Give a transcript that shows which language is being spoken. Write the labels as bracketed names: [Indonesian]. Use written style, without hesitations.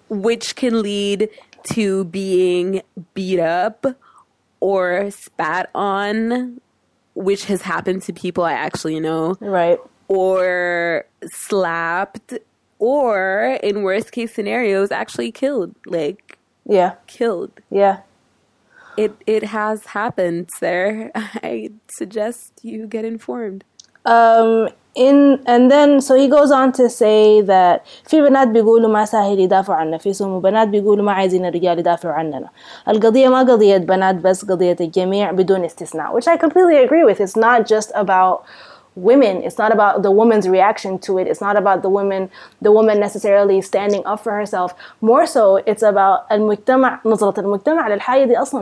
[English] Which can lead to being beat up or spat on, which has happened to people I actually know. Right. Or slapped, or in worst case scenarios, actually killed. Like, yeah. Killed. Yeah. It has happened, sir. I suggest you get informed. So he goes on to say that [Arabic] في بنات بيقولوا ما ساهل يدافع عن نفسهم وبنات بيقولوا ما عايزين الرجال يدافع عننا. القضية ما قضية بنات بس قضية الجميع بدون استثناء. [English] Which I completely agree with. It's not just about women. It's not about the woman's reaction to it. It's not about the woman necessarily standing up for herself. More so, it's about [Arabic] المجتمع, نظرة المجتمع للحياة دي أصلا.